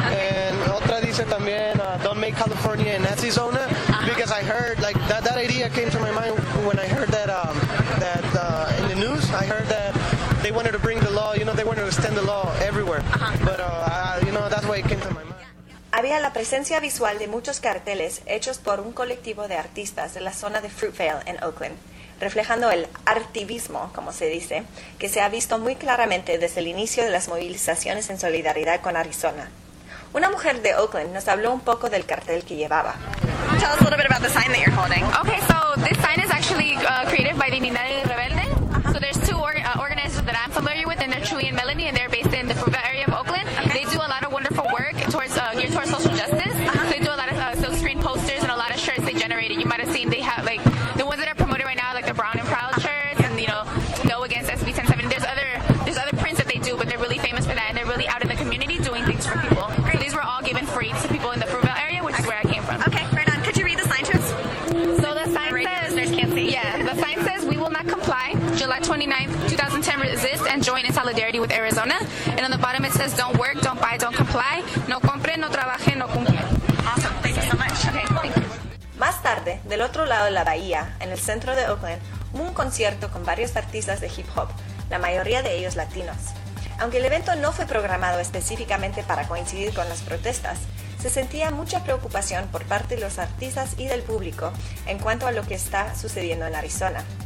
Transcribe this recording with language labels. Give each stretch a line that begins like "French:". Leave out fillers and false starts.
English: And
Spanish: otra dice también,
English: don't make California a Nazi zone, because I heard, like, that idea came to my mind when I heard that in the news, I heard that they wanted to bring the law, you know, they wanted to extend the law everywhere. But that's why it came to my mind.
Spanish: Había la presencia visual de muchos carteles hechos por un colectivo de artistas de la zona de Fruitvale en Oakland, reflejando el artivismo, como se dice, que se ha visto muy claramente desde el inicio de las movilizaciones en solidaridad con Arizona. Una mujer de Oakland nos habló un poco del cartel que llevaba.
English: Tell us a little bit about the sign that you're holding. Okay, so this sign is actually created by Dignidad y Rebelde. So there's two organizers that I'm familiar with, and they're Chewy and Melanie, and they're based in the Fruitvale area of Oakland. Okay. They do a lot of wonderful work towards geared towards social justice. Uh-huh. They do a lot of silk screen posters and a lot of shirts they generated. You might have seen they have, like, the ones that are promoted right now, like the Brown and Proud uh-huh. shirts, and, you know, Go Against SB 1070. There's other prints that they do, but they're really famous for that, and they're really out in the community doing things for people. Great. These were all given free to people in the Fruitvale area, which is where I came from. Okay, right on. Could you read the sign to us? So the sign says, can't see. Yeah, the sign says, "We will not comply. July 29th, 2010, resist and join in solidarity with Arizona." And on the bottom it says, "Don't work, don't buy, don't comply.
Spanish: No compre, no trabaje, no cumple."
English: Awesome. Thank you so much. Okay, thank you.
Spanish: Más tarde, del otro lado de la bahía, en el centro de Oakland, hubo un concierto con varios artistas de hip hop, la mayoría de ellos latinos. Aunque el evento no fue programado específicamente para coincidir con las protestas, se sentía mucha preocupación por parte de los artistas y del público en cuanto a lo que está sucediendo en Arizona.